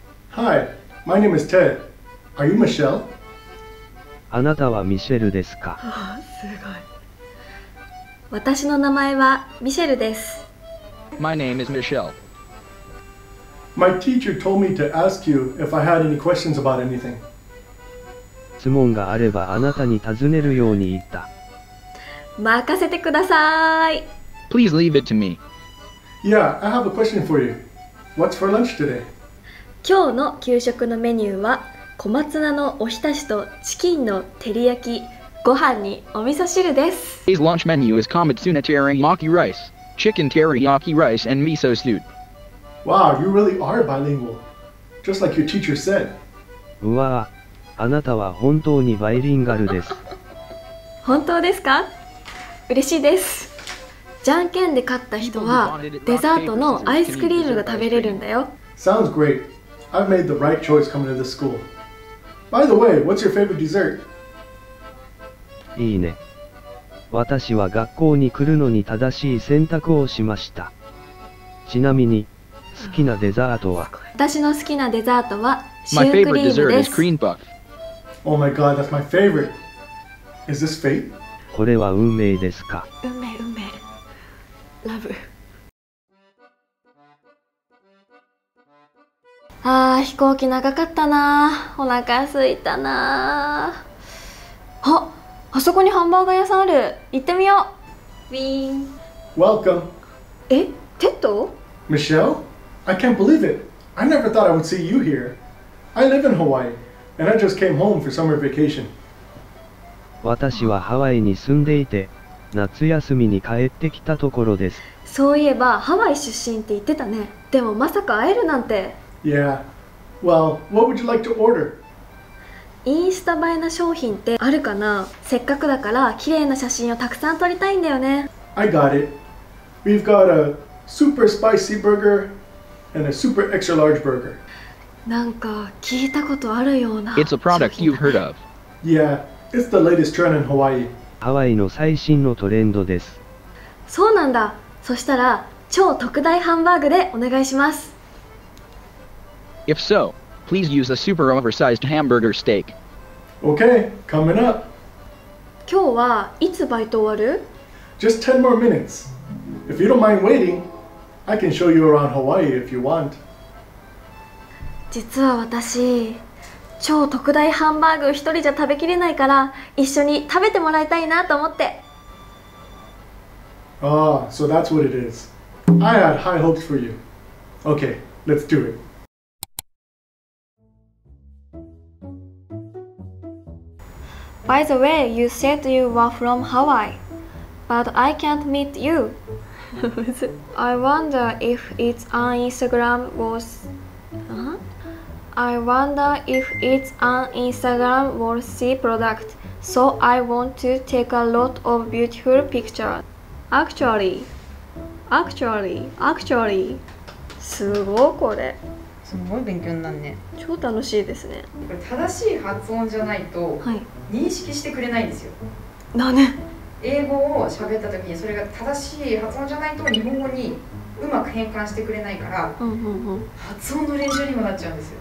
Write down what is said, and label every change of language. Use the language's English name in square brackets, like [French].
[English] Hi, my name is Ted. Are you Michelle? [Japanese] あなたはミシェルですか。すごい。私の名前はミシェルです。 [English] My name is Michelle. My teacher told me to ask you if I had any questions about anything. [Japanese] 質問があればあなたに尋ねるように言った。任せてください。 [English] Please leave it to me. Yeah, I have a question for you. What's for lunch today? [Japanese] 今日の給食のメニューは小松菜のおひたしとチキンの照り焼き、ご飯にお味噌汁です。 [English] Today's lunch menu is Komatsuna teriyaki rice, chicken teriyaki rice and miso soup. Wow, you really are bilingual. Just like your teacher said. [Japanese] うわぁ。あなたは本当にバイリンガルです。本当ですか？嬉しいです。じゃんけんで勝った人はデザートのアイスクリームが食べれるんだよ。 [English] Sounds great. I've made the right choice coming to this school. By the way, what's your favorite dessert? [Japanese] いいね。私は学校に来るのに正しい選択をしました。ちなみに、好きなデザートは？私の好きなデザートはシュークリームです。 [English] Oh my god, that's my favorite. Is this fate? [Japanese] これは運命ですか。運命、運命。ラブ。ああ、飛行機長かったな。お腹空いたな。あそこにハンバーガー屋さんある。行ってみよう。ウィーン。 [English] Welcome. [Japanese] え、テッド？ [English] Michelle? I can't believe it. I never thought I would see you here. I live in Hawaii. And I just came home for summer vacation. [Japanese] 私はハワイに住んでいて、夏休みに帰ってきたところです。そういえば、ハワイ出身って言ってたね。でもまさか会えるなんて。 [English] Yeah. Well, what would you like to order? [Japanese] インスタ映えな商品ってあるかな？せっかくだから、綺麗な写真をたくさん撮りたいんだよね。 [English] I got it. We've got a super spicy burger and a super extra large burger. [Japanese] なんか聞いたことあるような。 [English] It's a product you've heard of. Yeah, it's the latest trend in Hawaii. [Japanese] ハワイの最新のトレンドです。そうなんだ。そしたら超特大ハンバーグでお願いします。 [English] If so, please use a super oversized hamburger steak. Okay, coming up. [Japanese] 今日はいつバイト終わる？ [English] Just 10 more minutes. If you don't mind waiting, I can show you around Hawaii if you want. [Japanese] 実は私、超特大ハンバーグ一人じゃ食べきれないから一緒に食べてもらいたいなと思って。 [English] Ah, so that's what it is. I had high hopes for you. Okay, let's do it. By the way, you said you were from Hawaii, but I can't meet you. I wonder if it's on Instagram worth... I wonder if it's an Instagram worthy product, so I want to take a lot of beautiful pictures. Actually, [Japanese] すごいこれ。すごい勉強になるね。超楽しいですね。正しい発音じゃないと認識してくれないんですよ。なね。英語を喋った時にそれが正しい発音じゃないと日本語にうまく変換してくれないから、発音の練習にもなっちゃうんですよ。